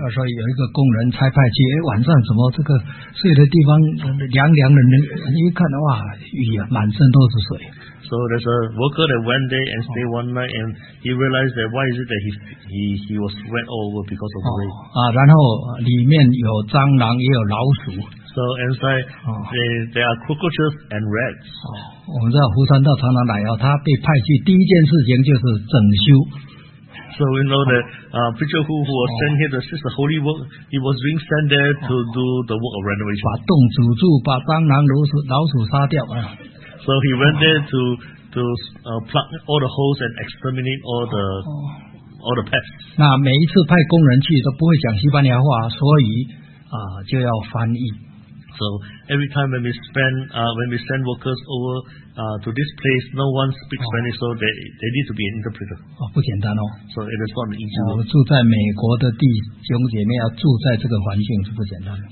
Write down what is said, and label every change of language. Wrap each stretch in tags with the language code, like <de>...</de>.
<zh>所以有一个工人差派去，晚上怎么这个睡的地方凉凉的？人一看的话，雨满身都是水。</zh> <en>So there's a worker that went there and stayed one night, and he realized that why is it that he was wet all over because of the rain.</en> <zh>然后里面有蟑螂，也有老鼠。</zh> <en>So inside, there are cockroaches and rats.</en> <zh>我们知道胡传道常常来啊，他被派去第一件事情就是整修。</zh> <en>So we know that Preacher Hu who was sent here, this is the holy work. He was being sent there to do the work of renovation.</en> <zh>把洞堵住，把蟑螂、老鼠杀掉啊。</zh> <en>So he went there to plug all the holes and exterminate all the pests.</en> <zh>那每一次派工人去都不会讲西班牙话，所以就要翻译。</zh> <en>So every time when we send workers over to this place, no one speaks Spanish, so they need to be an interpreter.</en> <zh>不简单哦。</zh> <en>So it is not easy.</en> <zh>我住在美国的弟兄姐妹要住在这个环境是不简单的。</zh>